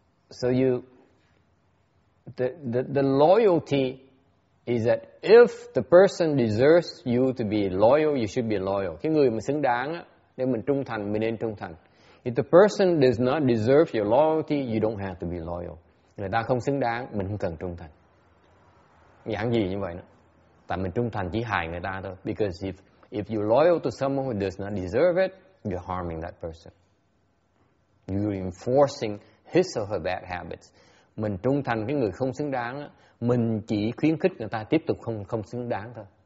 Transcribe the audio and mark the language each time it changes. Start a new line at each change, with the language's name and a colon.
English: So you the loyalty is that if the person deserves you to be loyal, you should be loyal.
Vietnamese: Cái người mà xứng đáng á, nếu mình trung thành, mình nên trung thành.
English: If the person does not deserve your loyalty, you don't have to be loyal.
Vietnamese: Người ta không xứng đáng, mình không cần trung thành. Giảng gì như vậy nữa? Tại mình trung thành chỉ hại người ta thôi.
English: Because if you're loyal to someone who does not deserve it, you're harming that person. You're enforcing his or her bad habits.
Vietnamese: Mình trung thành cái người không xứng đáng á, mình chỉ khuyến khích người ta tiếp tục không xứng đáng thôi.